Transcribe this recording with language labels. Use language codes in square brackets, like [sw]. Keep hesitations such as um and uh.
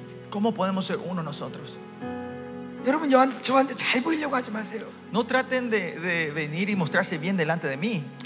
[es] ¿Cómo podemos ser uno nosotros? [ko] 여러분 요한, 저한테 잘 보이려고 하지 마세요. [es] No traten de, de venir y mostrarse bien delante de mí.